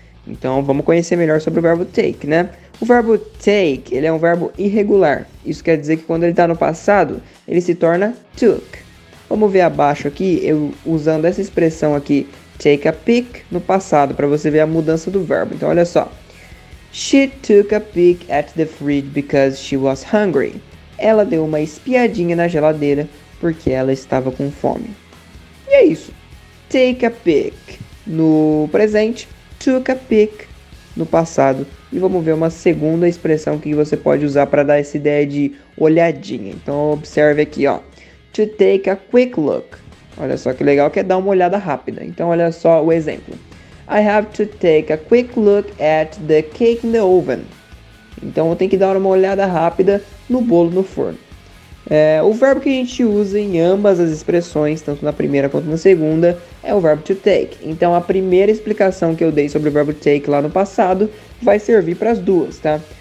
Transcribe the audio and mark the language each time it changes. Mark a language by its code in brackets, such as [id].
[pt] Então, vamos conhecer melhor sobre o verbo take, né? O verbo take, ele é um verbo irregular. Isso quer dizer que quando ele está no passado, ele se torna took. Vamos ver abaixo aqui, eu usando essa expressão aqui, [en] take a peek, [pt] no passado, para você ver a mudança do verbo. Então, olha só. [en] She took a peek at the fridge because she was hungry. [pt] Ela deu uma espiadinha na geladeira porque ela estava com fome. E é isso. [en] Take a peek [pt] no presente, [en] took a peek [pt] no passado. E vamos ver uma segunda expressão que você pode usar para dar essa ideia de olhadinha. Então observe aqui, ó. [en] To take a quick look. [pt] Olha só que legal, que é dar uma olhada rápida. Então olha só o exemplo. [en] I have to take a quick look at the cake in the oven. [pt] Então eu tenho que dar uma olhada rápida no bolo no forno. É, o verbo que a gente usa em ambas as expressões, tanto na primeira quanto na segunda, é o verbo to take. Então a primeira explicação que eu dei sobre o verbo take lá no passado vai servir para as duas, tá?